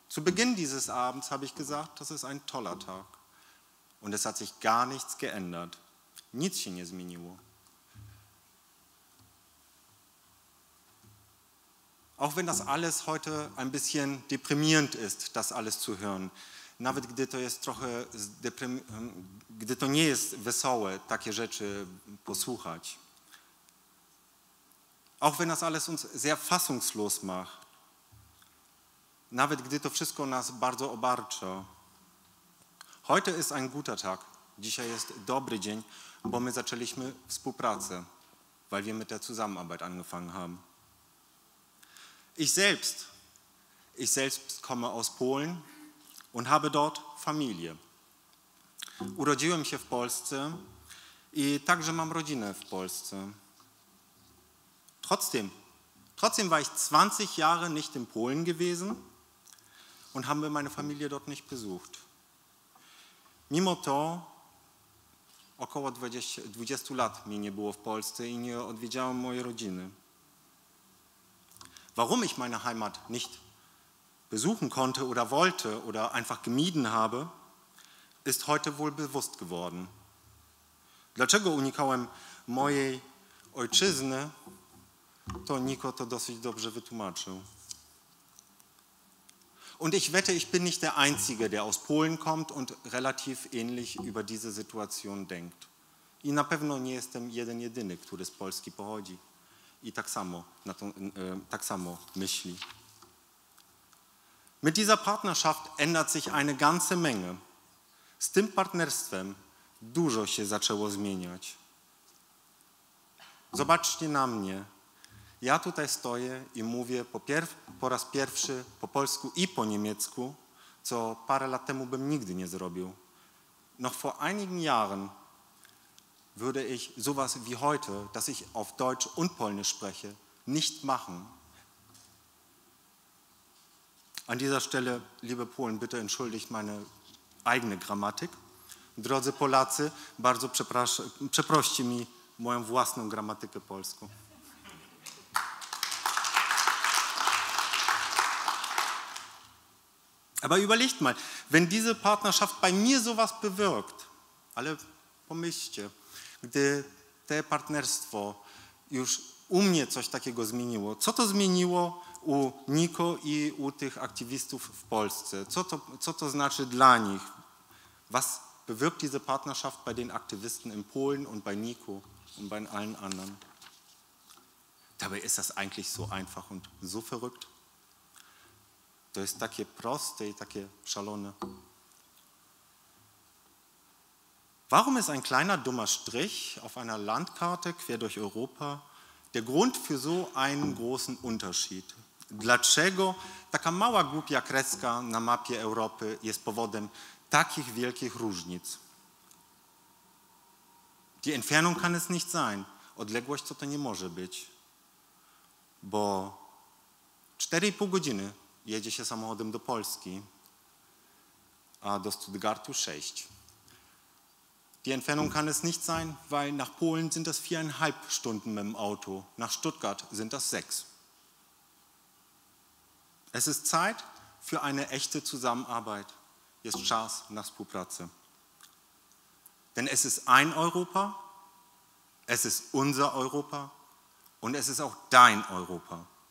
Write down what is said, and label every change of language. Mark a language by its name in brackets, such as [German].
[German] Zu Beginn dieses Abends habe ich gesagt, das ist ein toller Tag. Und es hat sich gar nichts geändert. [Polish] Nic się nie zmieniło. [German] Auch wenn das alles heute ein bisschen deprimierend ist, das alles zu hören, [Polish] nawet gdy to jest trochę, gdy to nie jest wesołe, takie rzeczy posłuchać. [German] Auch wenn das alles uns sehr fassungslos macht, [Polish] nawet gdy to wszystko nas bardzo obarcza. [German] Heute ist ein guter Tag. [Polish] Dzisiaj jest dobry dzień, bo my zaczęliśmy współpracę, [German] weil wir mit der Zusammenarbeit angefangen haben. Ich selbst komme aus Polen und habe dort Familie. [Polish] Urodziłem się w Polsce i także mam rodzinę w Polsce. [German] Trotzdem war ich 20 Jahre nicht in Polen gewesen und haben wir meine Familie dort nicht besucht. [Polish] Mimo to około 20 lat mnie nie było w Polsce i nie odwiedziałem mojej rodziny. [German] Warum ich meine Heimat nicht besuchen konnte oder wollte oder einfach gemieden habe, ist heute wohl bewusst geworden. [Polish] Dlaczego unikałem mojej ojczyzny, to Nico to dosyć dobrze wytłumaczył. [German] Und ich wette, ich bin nicht der Einzige, der aus Polen kommt und relativ ähnlich über diese Situation denkt. [Polish] I na pewno nie jestem jeden jedyny, który z Polski pochodzi. I tak samo, myśli. [German] Mit dieser Partnerschaft ändert sich eine ganze Menge. [Polish] Z tym partnerstwem dużo się zaczęło zmieniać. Zobaczcie na mnie. Ja tutaj stoję i mówię po raz pierwszy po polsku i po niemiecku, co parę lat temu bym nigdy nie zrobił. [German] Noch vor einigen Jahren würde ich sowas wie heute, dass ich auf Deutsch und Polnisch spreche, nicht machen. An dieser Stelle, liebe Polen, bitte entschuldigt meine eigene Grammatik. [Polish] Drodzy Polacy, bardzo przeproście mi moją własną gramatykę polską. [German] Aber überlegt mal, wenn diese Partnerschaft bei mir sowas bewirkt, [Polish] ale pomyślcie, gdy to partnerstwo już u mnie coś takiego zmieniło, co to zmieniło u Nico i u tych aktywistów w Polsce? Co to znaczy dla nich? [German] Was bewirkt diese Partnerschaft bei den Aktivisten in Polen und bei Nico und bei allen anderen? Dabei ist das eigentlich so einfach und so verrückt. [Polish] To jest takie proste i takie szalone. [German] Warum ist ein kleiner dummer Strich auf einer Landkarte quer durch Europa der Grund für so einen großen Unterschied? [Polish] Dlaczego taka mała głupia kreska na mapie Europy jest powodem takich wielkich różnic? [German] Die Entfernung kann es nicht sein. [Polish] Odległość to nie może być. Bo 4,5 godziny jedzie się samochodem do Polski, a do Stuttgartu 6. [German] Die Entfernung kann es nicht sein, weil nach Polen sind das 4,5 Stunden mit dem Auto, nach Stuttgart sind das 6. Es ist Zeit für eine echte Zusammenarbeit. [Polish] Jest czas na współpracę. [German] Denn es ist ein Europa, es ist unser Europa und es ist auch dein Europa.